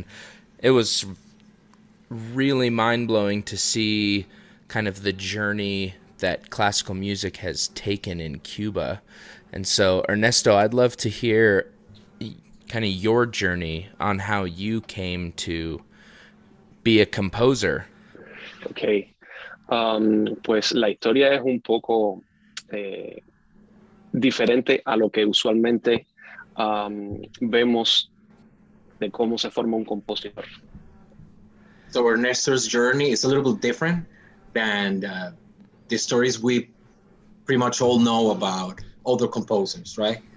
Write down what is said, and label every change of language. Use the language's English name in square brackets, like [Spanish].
[English] And it was really mind-blowing to see kind of the journey that classical music has taken in Cuba. And so, Ernesto, I'd love to hear kind of your journey on how you came to be a composer. Okay. [Spanish] Pues la historia es un poco diferente a lo que usualmente vemos de cómo se forma un compositor. [English] So Ernesto's journey is a little bit different than the stories we pretty much all know about other composers, right?